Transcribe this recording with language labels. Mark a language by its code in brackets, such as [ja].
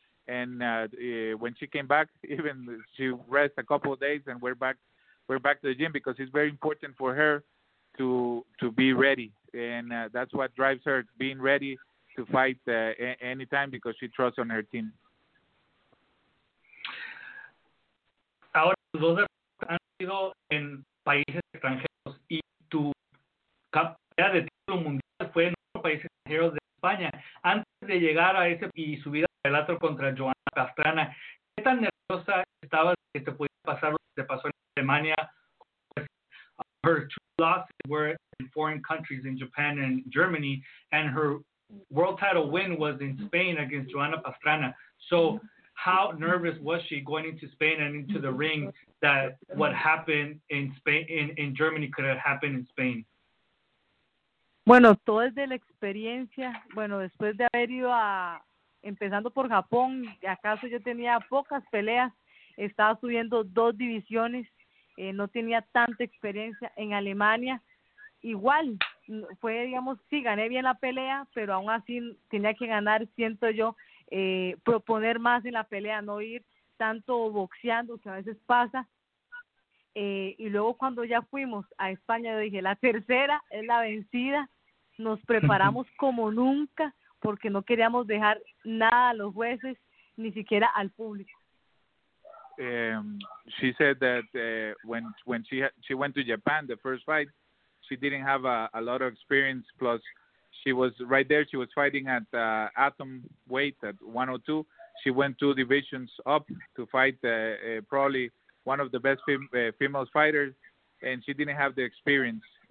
[en] And when she came back, even she rest a couple of days and we're back to the gym because it's very important for her to be ready. And that's what drives her, being ready to fight anytime because she trusts on her team. [es] Ahora, tus dos derrotas han sido en países extranjeros y tu campeonato de título mundial fue en otro país extranjero de España. Antes de llegar a ese y subir al relato contra Joana Pastrana, ¿qué tan nerviosa estabas que te pudiera pasar lo que te pasó en Alemania? [en] Her two losses were in foreign countries, in Japan and Germany, and her world title win was in Spain against Joana Pastrana. So how nervous was she going into Spain and into the ring that what happened in Spain, in Germany, could have happened in Spain? [es] Bueno, todo es de la experiencia. Bueno, después de haber ido a, empezando por Japón, acaso yo tenía pocas peleas, estaba subiendo dos divisiones, no tenía tanta experiencia en Alemania. Igual, fue, digamos, sí, gané bien la pelea, pero aún así tenía que ganar, siento yo, proponer más en la pelea, no ir tanto boxeando, que a veces pasa. Y luego cuando ya fuimos a España, yo dije, la tercera es la vencida. Nos preparamos como nunca, porque no queríamos dejar nada a los jueces, ni siquiera al público. [en] She said that when she went to Japan, the first fight, she didn't have a lot of experience. Plus, she was right there. She was fighting at atom weight at 102. She went two divisions up to fight probably one of the best female fighters, and she didn't have the experience.